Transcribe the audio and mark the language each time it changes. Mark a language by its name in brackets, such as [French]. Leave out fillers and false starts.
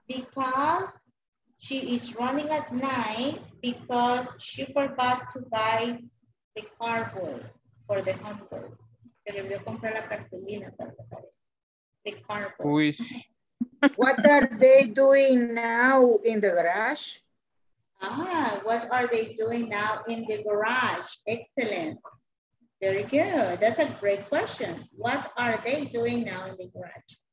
[English] Because she is running at night because she forgot to buy the cardboard for the homework. [Spanish] Se le olvidó comprar la cartulina para la tarea. [English] The carpool. What are they doing now in the garage? What are they doing now in the garage? Excellent. Very good. That's a great question. What are they doing now in the garage?